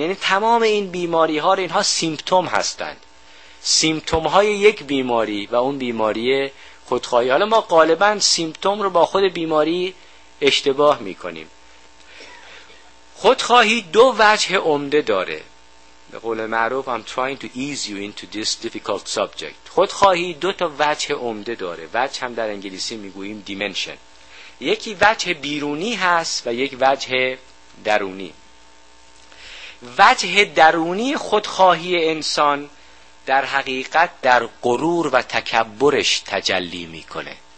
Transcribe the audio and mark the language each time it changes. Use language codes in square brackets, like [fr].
[fa] یعنی تمام این بیماری ها رو اینها سیمپتوم هستند، سیمپتوم های یک بیماری و اون بیماری خودخواهی. حالا ما غالبا سیمپتوم رو با خود بیماری اشتباه می کنیم. خودخواهی دو وجه عمده داره. به قول معروف [en] I'm trying to ease you into this difficult subject. [fa] خودخواهی دو تا وجه عمده داره. وجه هم در انگلیسی می گوییم dimension. یکی وجه بیرونی هست و یک وجه درونی. وجه درونی خودخواهی انسان در حقیقت در غرور و تکبرش تجلی میکنه.